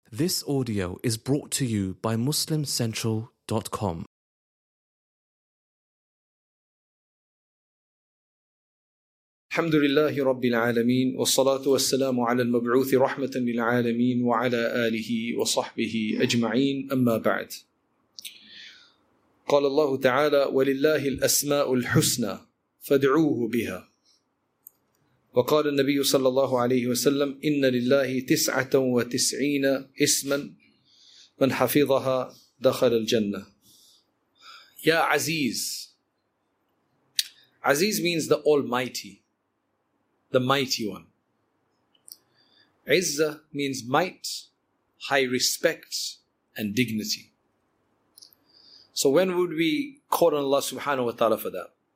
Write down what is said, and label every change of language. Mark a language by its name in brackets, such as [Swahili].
[English] This audio is brought to you by MuslimCentral.com. [Arabic] الحمد لله رب العالمين والصلاة والسلام على المبعوث رحمة للعالمين وعلى آله وصحبه أجمعين أما بعد قال الله تعالى ولله الأسماء الحسنى فادعوه بها وقال النبي صلى الله عليه وسلم إن لله 99 اسما من حفظها دخل الجنة. يا عزيز, [English] عزيز means the almighty, the mighty one. Izzah means might, high respect and dignity. So when would we call on Allah subhanahu wa ta'ala for that?